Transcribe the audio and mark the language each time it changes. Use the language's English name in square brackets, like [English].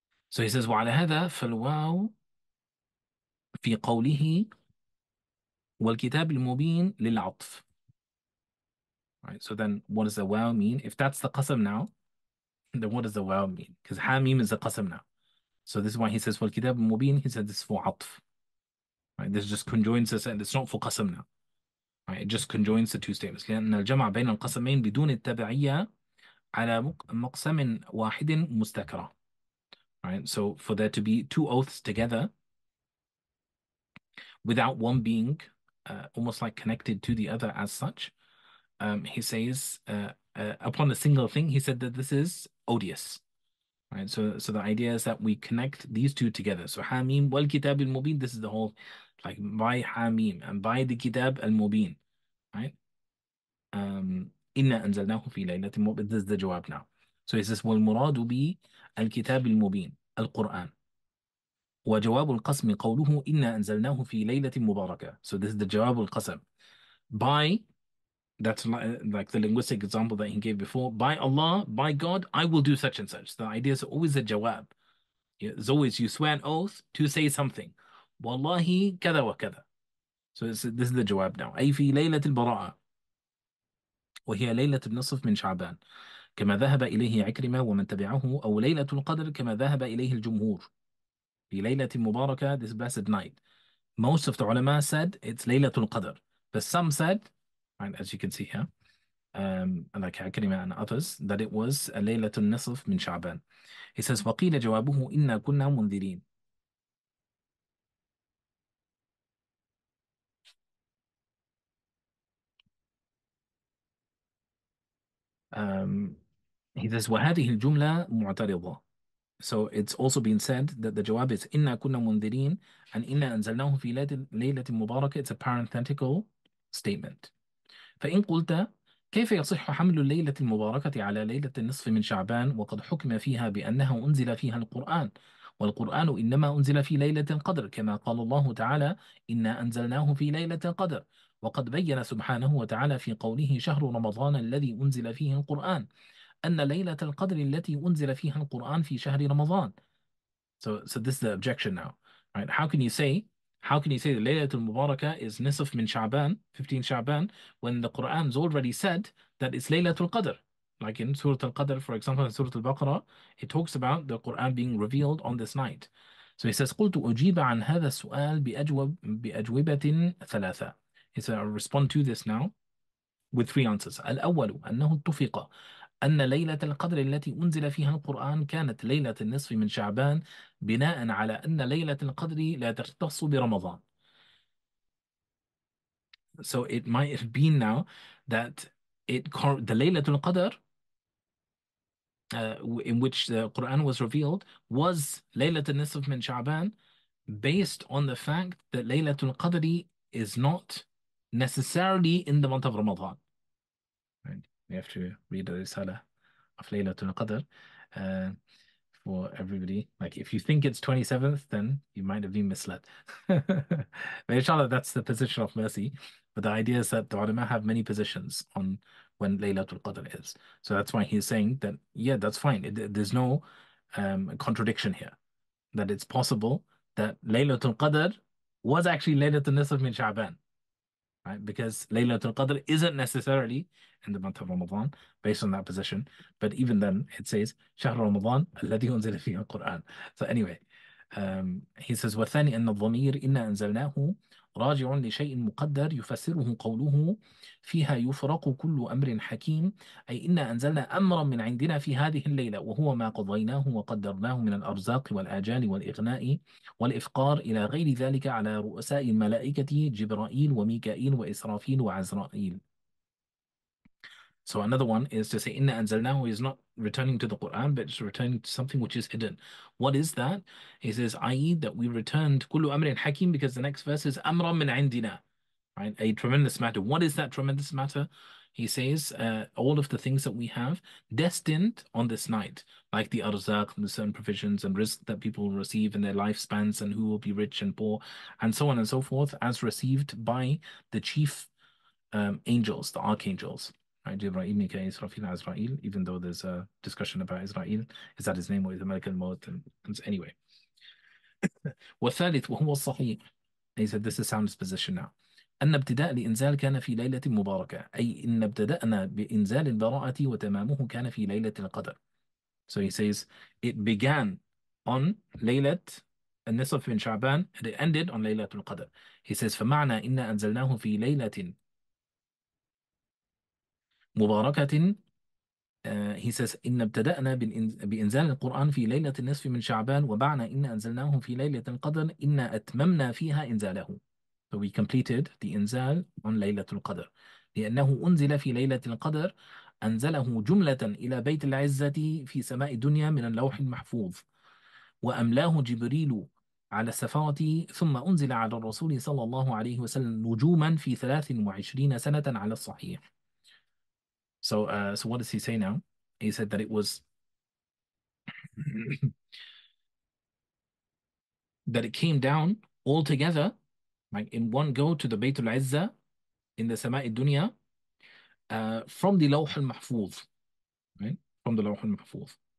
[English] So he says, [Arabic] وعلى هذا فالواو في قوله والكتاب المبين للعطف. [English] Right, so then what does the waw mean? If that's the qasam now, then what does the waw mean? Because hamim is the qasam now. So this is why he says, [Arabic] والكتاب المبين, [English] he said this is for عطف. Right, this just conjoins the sentence, it's not for qasam now. Right, it just conjoins the two statements. [Arabic] لأن الجمع بين القسمين بدون التبعية على مقسم واحد مستكرة. [English] Right, so for there to be two oaths together without one being almost like connected to the other as such, he says upon a single thing, he said that this is odious. Right, so the idea is that we connect these two together. So hamim wal kitab al mubin, this is the whole, like by hamim and by the kitab al mubin, right? [Arabic] Inna anzalnahu fi laylatin mubin, [English] this is the jawab now. So he says [Arabic] wal muradu bi al kitab al mubin al Quran. وجواب القسم قوله إنا أنزلناه في ليلة مباركة. [English] So this is the جواب القسم. By, that's like the linguistic example that he gave before. By Allah, by God, I will do such and such. The idea is always a جواب. It's always you swear an oath to say something. [Arabic] والله كذا وكذا. [English] So this is the جواب now. [Arabic] أي في ليلة البراءة. وهي ليلة النصف من شعبان. كما ذهب إليه عكرمة ومن تبعه أو ليلة القدر كما ذهب إليه الجمهور. في ليلة مباركة, [English] this blessed night. Most of the ulama said it's ليلة القدر. But some said, right, as you can see here, like Akrima and others, that it was a ليلة النصف من شعبان. He says, [Arabic] وقيل جوابه إنا كنا منذرين. [English] He says, [Arabic] وهذه الجملة معترضة. [English] So it's also been said that the jawab is [Arabic] inna kunna mundirin [English] and [Arabic] inna anzalnahu fi laylatin mubarakah. [English] It's a parenthetical statement. [Arabic] فإن قلت كيف يصح حمل الليلة المباركة على ليلة النصف من شعبان وقد حكم فيها بأنها أنزل فيها القرآن والقرآن إنما أنزل في ليلة القدر كما قال الله تعالى إنا أنزلناه في ليلة القدر وقد بين سبحانه وتعالى في قوله شهر رمضان الذي أنزل فيه القرآن أن ليلة القدر التي أنزل فيها القرآن في شهر رمضان. [English] So this is the objection now. Right? How can you say the ليلة المباركة is نصف من شعبان, 15 شعبان, when the Quran has already said that it's ليلة القدر. Like in Surah Al-Qadr, for example, in Surah Al-Baqarah, it talks about the Quran being revealed on this night. So he says, [Arabic] قلت أجيب عن هذا السؤال بأجوبة ثلاثة. [English] He says, I'll respond to this now with three answers. [Arabic] الأول أنه اتفق أن ليلة القدر التي أنزل فيها القرآن كانت ليلة النصف من شعبان بناء على أن ليلة القدر لا تختص برمضان. [English] So it might have been now that the ليلة القدر in which the Quran was revealed was ليلة النصف من شعبان based on the fact that ليلة القدر is not necessarily in the month of Ramadan. We have to read the risala of Laylatul Qadr for everybody. Like, if you think it's 27th, then you might have been misled. But inshallah, that's the position of mercy. But the idea is that the ulama have many positions on when Laylatul Qadr is. So that's why he's saying that, yeah, that's fine. There's no contradiction here. That it's possible that Laylatul Qadr was actually Laylatul Nisf min Sha'ban. Right? Because Laylatul Qadr isn't necessarily in the month of Ramadan based on that position. But even then, it says, [Arabic] شهر رمضان الذي أنزل فيه القرآن. [English] So anyway, he says, [Arabic] وثاني أن الضمير إنا أنزلناه راجع لشيء مقدر يفسره قوله فيها يفرق كل أمر حكيم أي إنا أنزلنا أمرا من عندنا في هذه الليلة وهو ما قضيناه وقدرناه من الأرزاق والآجال والإغناء والإفقار إلى غير ذلك على رؤساء الملائكة جبرائيل وميكائيل وإسرافيل وعزرائيل. [English] So another one is to say إنا أنزلناه is not returning to the Quran, but it's returning to something which is hidden. What is that? He says, i.e. that we returned [Arabic] كُلُّ أَمْرٍ حَكِيمٍ, [English] because the next verse is [Arabic] أَمْرًا مِنْ عِنْدِنَا, [English] right? A tremendous matter. What is that tremendous matter? He says, all of the things that we have destined on this night, like the arzak, the certain provisions and risk that people will receive in their lifespans and who will be rich and poor, and so on and so forth, as received by the chief angels, the archangels. Ibrahim, Mika, Israfil, Azrael, even though there's a discussion about Israel, is that his name or is the Malik al-Maut? And anyway. [Arabic] وثالث وهو الصحيح. [English] He said this is sound disposition now. [Arabic] أن ابتداء الإنزال كان في ليلة مباركة أي إن ابتدأنا بإنزال البراءة وتمامه كان في ليلة القدر. [English] So he says it began on ليلة النصف من شعبان and it ended on ليلة القدر. He says [Arabic] فمعنى إن أنزلناه في ليلة مباركة [English] he says [Arabic] إن ابتدأنا بإنزال القرآن في ليلة النصف من شعبان ومعنى إن أنزلناه في ليلة القدر إن أتممنا فيها إنزاله. [English] So we completed the Inzal on Laylatul Qadr. [Arabic] لأنه أنزل في ليلة القدر أنزله جملة إلى بيت العزة في سماء الدنيا من اللوح المحفوظ وأملاه جبريل على السفارة ثم أنزل على الرسول صلى الله عليه وسلم نجوما في 23 سنة على الصحيح. [English] So, so what does he say now? He said that it was that it came down altogether like in one go to the Baytul Izza in the Sama'i Dunya from the Lawh Al Mahfuz, right? From the Lawh Al Mahfuz.